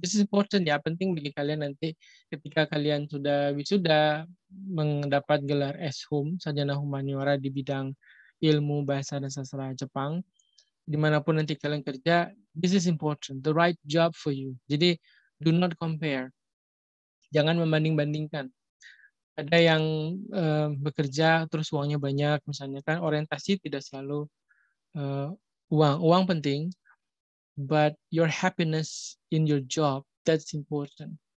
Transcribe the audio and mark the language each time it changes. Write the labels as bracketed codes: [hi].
[en] This is important [id] ya, penting bagi kalian nanti ketika kalian sudah wisuda mendapat gelar S-HUM, Sarjana Humaniora di bidang ilmu bahasa dan sastra Jepang. Dimanapun nanti kalian kerja, [en] this is important, the right job for you. [id] Jadi, [en] do not compare. [id] Jangan membanding-bandingkan. Ada yang bekerja terus uangnya banyak, misalnya kan orientasi tidak selalu uang. Uang penting, [en] but your happiness in your job, that's important.